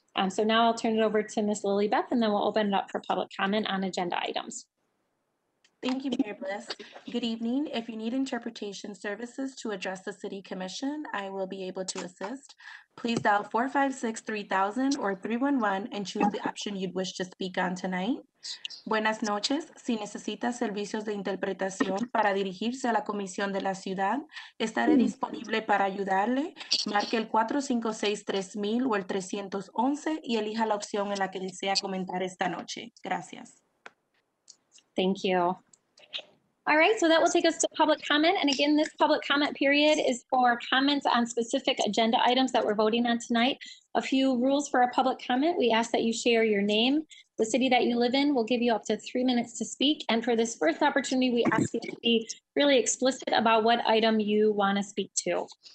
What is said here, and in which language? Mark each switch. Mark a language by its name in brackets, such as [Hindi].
[English] So now I'll turn it over to Ms. Lilibeth, and then we'll open it up for public comment on agenda items. Thank you, Mayor Bliss. Good evening. If you need interpretation services to address the City Commission, I will be able to assist. Please dial 456-3000 or 311 and choose the option you'd wish to speak on tonight. [Spanish] Buenas noches. Si necesita servicios de interpretación para dirigirse a la Comisión de la Ciudad, estaré disponible para ayudarle. Marque el 456-3000 o el 311 y elija la opción en la que desea comentar esta noche. Gracias. [English] Thank you. All right, so that will take us to public comment. And again, this public comment period is for comments on specific agenda items that we're voting on tonight. A few rules for a public comment. We ask that you share your name. The city that you live in will give you up to 3 minutes to speak. And for this first opportunity, we ask you to be really explicit about what item you want to speak to.